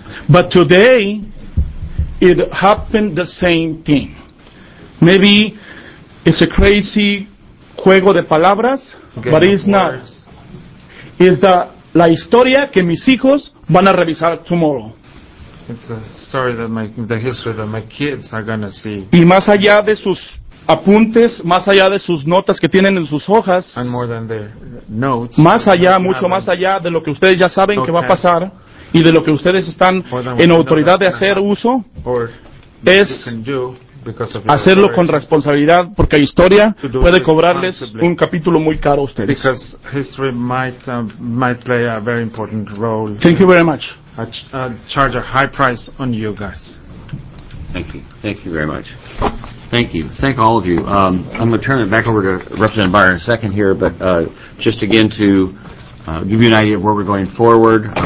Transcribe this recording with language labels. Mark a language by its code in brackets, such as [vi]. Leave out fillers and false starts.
[en] But today, it happened the same thing. Maybe it's a crazy [es] juego de palabras, [en] okay, but it's not. Words. It's the [es] la historia que mis hijos van a revisar [en] tomorrow. It's the story that the history that my kids are gonna see. [es] Y más allá de sus apuntes, más allá de sus notas que tienen en sus hojas, [en] and more than their notes, [es] más allá, mucho más allá de lo que ustedes ya saben, okay, que va a pasar. Y de lo que ustedes están en autoridad de hacer uso es hacerlo con responsabilidad, porque la historia puede cobrarles un capítulo muy caro a ustedes. [en] Because history might play a very important role. Thank you very much. Charge a high price on you guys. Thank you. Thank you very much. Thank you. Thank all of you. I'm going to turn it back over to Representative Byron in a second here, but just again to give you an idea of where we're going forward.